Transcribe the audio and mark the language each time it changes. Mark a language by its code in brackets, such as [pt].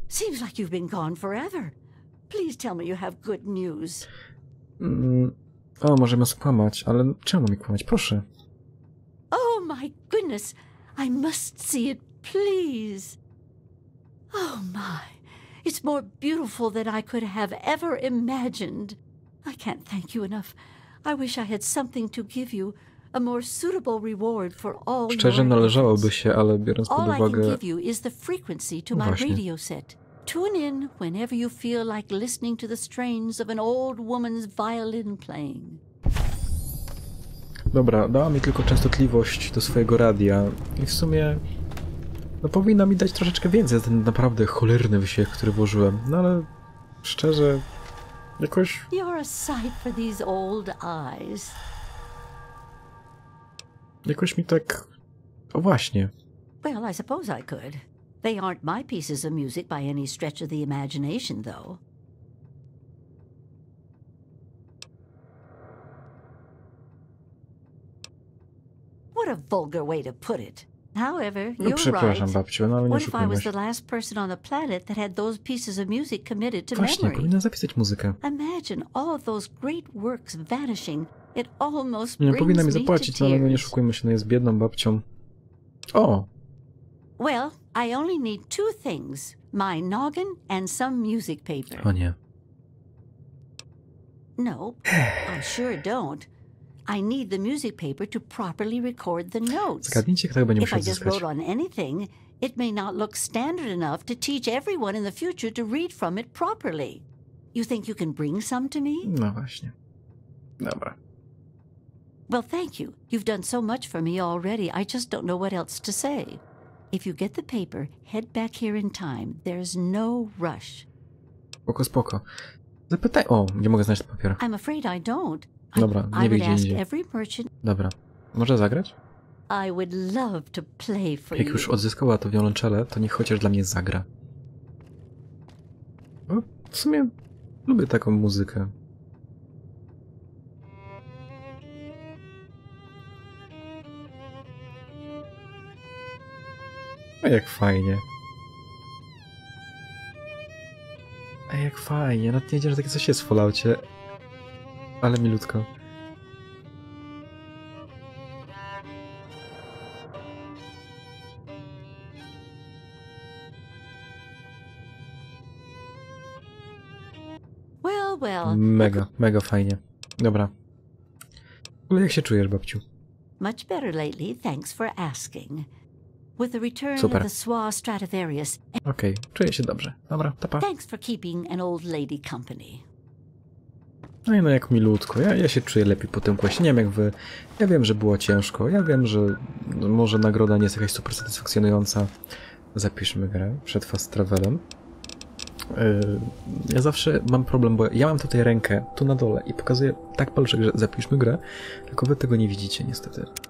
[en] Seems like you've been gone forever. Please tell me you have good news. [pl] O, możemy skłamać, ale czemu mi kłamać? Proszę. [en] Oh my goodness. I must see it, please. Oh my. It's more beautiful than I could have ever imagined. I can't thank you enough. I wish I had something to give you, a more suitable reward for all your... [pl] Szczerze, należałoby się, ale biorąc pod uwagę... [en] All I can give you is the frequency to my radio set. Tune in whenever you feel like listening to the strains of an old woman's violin playing. [pl] Dobra, dała mi tylko częstotliwość do swojego radia i w sumie... No powinna mi dać troszeczkę więcej za ten naprawdę cholerny wysiłek, który włożyłem, no ale... Szczerze... Jakoś... [en] You're a sight for these old eyes. [pl] Jakoś mi tak... O właśnie. [en] Well, I suppose I could. They aren't my pieces of music by any stretch of the imagination, though. What a vulgar way to put it. However, you're [pl] no, przepraszam, [en] right. [pl] Babciu, no, ale nie [en] what if I was the last person on the planet that had those pieces of music committed to [pl] właśnie, [en] memory? [pl] Powinna zapisać muzykę. [en] Imagine all of those great works vanishing. It almost [pl] nie, powinna mi zapłacić, no, ale nie oszukujmy się, no jest biedną babcią. O! [en] Well, I only need two things. My noggin and some music paper. [pl] O nie. [en] No, I sure don't. I need the music paper to properly record the notes. [pl] Zgadnijcie, kto będzie musiał odzyskać. [en] If I just wrote on anything, it may not look standard enough to teach everyone in the future to read from it properly. You think you can bring some to me? [pl] No właśnie. Dobra. [en] Well, thank you. You've done so much for me already, I just don't know what else to say. If you get the paper, head back here in time. There's no rush. [pl] Spoko, spoko. Zapytaj. O, nie mogę znaleźć papieru. [en] I'm afraid I don't. [pl] Dobra, nie wiedzieli. [en] I would ask every merchant. [pl] Dobra. Może zagrać? [en] I would love to play for you. [pl] Jak już odzyskała to wiolonczele, to niech chociaż dla mnie zagra. No, w sumie lubię taką muzykę. A jak fajnie. A jak fajnie, nawet nie wiedziałem, że takie coś jest w Falloutie. Ale milutko. Mega, mega fajnie. Dobra. Ale jak się czujesz, babciu? [en] Much better lately, thanks for asking. With the return of the Swa Stradivarius. [pl] Okej, okay, czuję się dobrze. Dobra, to pa. [en] Thanks for keeping an old lady company. [pl] No i no jak milutko. Ja się czuję lepiej po tym kłasie. Nie wiem jak wy. Ja wiem, że było ciężko. Ja wiem, że może nagroda nie jest jakaś super satysfakcjonująca. Zapiszmy grę przed Fast Travelem. Ja zawsze mam problem, bo ja mam tutaj rękę tu na dole i pokazuję tak palczek, że zapiszmy grę, tylko wy tego nie widzicie niestety.